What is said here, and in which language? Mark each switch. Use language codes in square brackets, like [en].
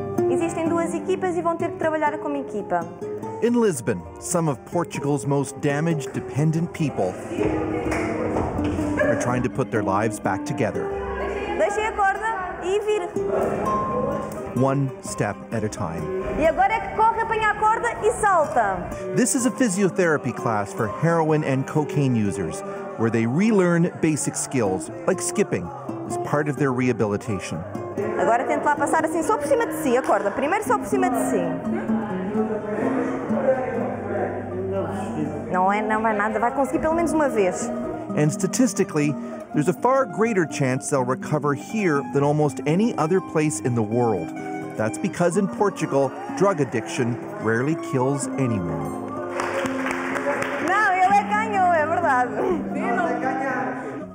[pt] Existem duas equipas e vão ter que trabalhar como equipa. [en] In Lisbon, some of Portugal's most damaged, dependent people are trying to put their lives back together. [pt] Deixei a corda e vir. [en] One step at a time. [pt] E agora é que corre, apanha a corda e salta. [en] This is a physiotherapy class for heroin and cocaine users, where they relearn basic skills, like skipping, as part of their rehabilitation. [pt] Agora tenta lá passar assim, só por cima de si, a corda. Primeiro só por cima de si. Não é, não vai nada, vai conseguir pelo menos uma vez. [en] And statistically, there's a far greater chance they'll recover here than almost any other place in the world. That's because in Portugal, drug addiction rarely kills anyone. [pt] Não, ele ganhou, é verdade.